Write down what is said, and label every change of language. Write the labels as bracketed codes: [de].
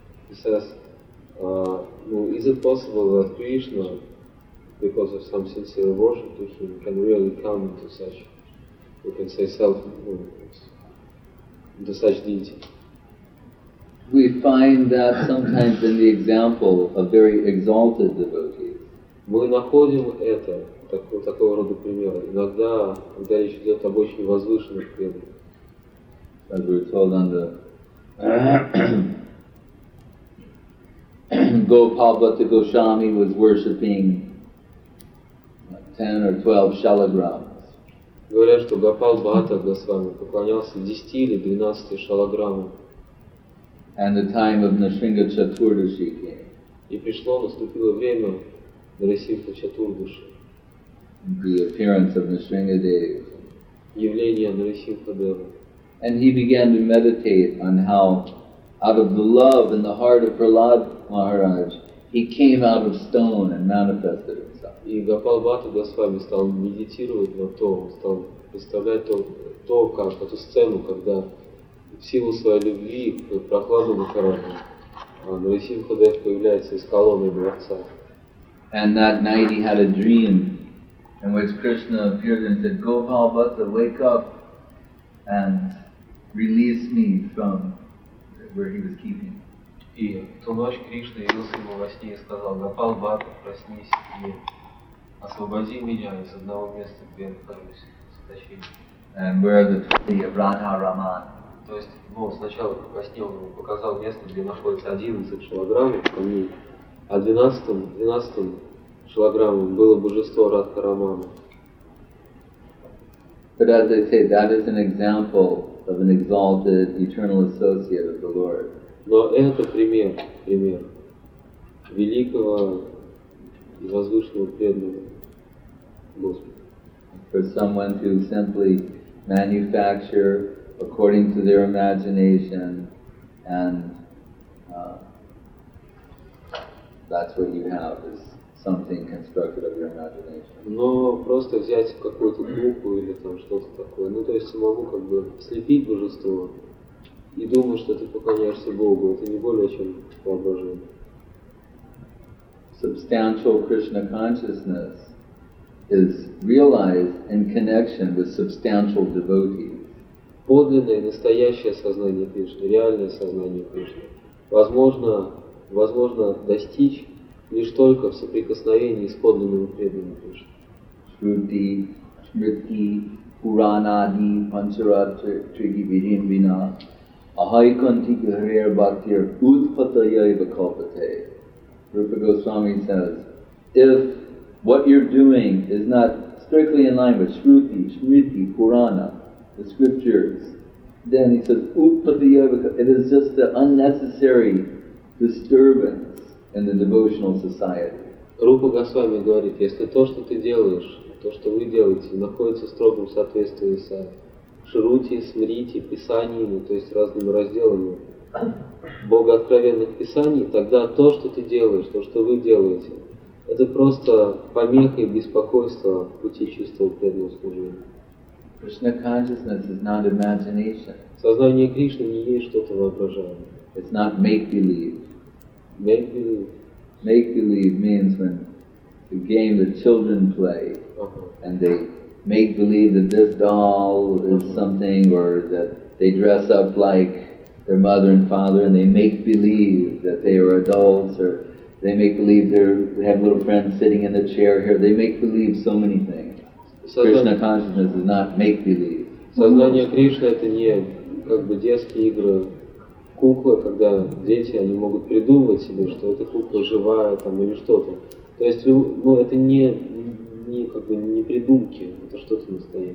[en] He says, is it possible that Krishna, because of some sincere worship to him, can really come into such, we can say, self-awareness, into such deity? We find that sometimes in the example of very exalted devotees. [ru] Мы находим это, такого рода примеры, иногда, когда речь идет об очень возвышенных преданиях. [en] As we're told on the... Gopalbhatta Goswami was worshipping 10 or 12 shalagrams. [ru] Говорят, что Гопалбхатта Госвами поклонялся 10 или 12 шалаграммам. [en] And the time of Нрисимха Чатурдаши came. [ru] И пришло, наступило время Нрисимха Чатурдаши. [en] The appearance of Нрисимха Дева. [ru] Явление Нрисимха Дева. [en] And he began to meditate on how out of the love in the heart of Prahlad Maharaj, he came out of stone and manifested himself. [ru] И Гопалбхатта Госвами стал медитировать на то, стал представлять то, как эту сцену, когда в силу своей любви к Прахладу Махараджу, Нарисимха Дев появляется из колонны дворца. [en] And that night he had a dream in which Krishna appeared and said, Gopalbhatta, wake up and release me from where he was keeping. [ru] И ту ночь Кришна явился ему во сне и сказал, Гопалбхатта, проснись и освободи меня из одного места, где я нахожусь, заточения. [en] And where the Radha Raman. [ru] То есть, сначала во сне он ему показал место, где находится 11 шалаграммов камней, а 12 шалаграммом было божество Радха Рамана. [en] But as I say, that is an example of an exalted eternal associate of the Lord. [ru] Но это пример великого и возвышенного преданного Господа. [en] For someone to simply manufacture according to their imagination, and that's what you have is something constructed of your imagination. [ru] Но просто взять какую-то группу или там что-то такое, то есть самому как бы слепить божество. И думаю, что ты поклоняешься Богу, это не более чем воображение. [en] Substantial Krishna consciousness is realized in connection with substantial devotees. [ru] Подлинное, настоящее сознание Кришны, реальное сознание Кришны, возможно, возможно достичь лишь только в соприкосновении с подлинными преданными Кришны. [sa] Шрути, Смрити, Пуранади, Панчаратри, Тридивидин Вина, Ахай Канти Гхарир Бхактир, Утпатая Ива Калпате. [en] Rupa Goswami says, if what you're doing is not strictly in line with Shruti, Smriti, Purana, the scriptures, then he says, [sa] Utpatiya Eva Kalpate, [en] it is just an unnecessary disturbance in the devotional society. [ru] Rupa Goswami говорит, если то, что ты делаешь, то, что вы делаете, находится в строгом соответствии с Шрути, Смрити, Писаниями, то есть разными разделами богооткровенных писаний, тогда то, что ты делаешь, то, что вы делаете, это просто помеха и беспокойство пути чистого преданного служения. [en] Krishna consciousness is not imagination. [ru] Сознание Кришны не есть что-то воображаемое. [en] It's not make-believe. Make-believe. Make-believe means when the game that children play and they make believe that this doll is something or that they dress up like their mother and father and they make believe that they are adults or they make believe they have little friends sitting in the chair here. They make believe so many things. Krishna consciousness is not make believe. [ru] Сознание Кришны это не как бы детские игры. Кукла, когда дети, они могут придумывать себе, что эта кукла живая там или что-то. То есть, ну, это не как бы не придумки, это что-то настоящее.